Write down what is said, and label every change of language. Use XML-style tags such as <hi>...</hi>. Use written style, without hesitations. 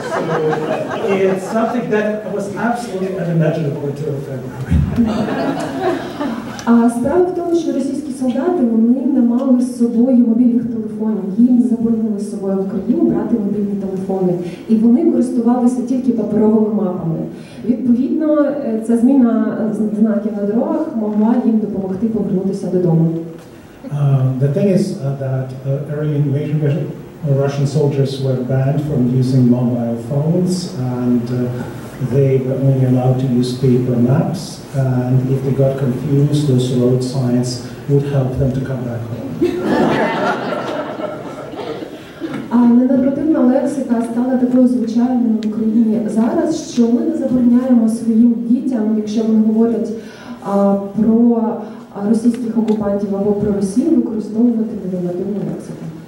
<en>So it's something that was absolutely unimaginable until February.</en> <uk>Справа в тому, що російські солдати, вони не мали з собою мобільних телефонів. Їм заборонили з собою в Україну брати мобільні телефони. І вони користувалися тільки паперовими мапами. Відповідно, ця зміна знаків на дорогах могла їм допомогти повернутися додому.</uk> <en>The thing is that early invasion Russian soldiers were banned from using mobile phones, and they were only allowed to use paper maps. And if they got confused, those road signs would help them to come back home.</en> <uk>Ненормативна лексика стала такою звичайною в Україні зараз, що ми не забороняємо своїм дітям, якщо вони говорять про російських окупантів або про Росію, використовувати ненормативну лексику.</uk>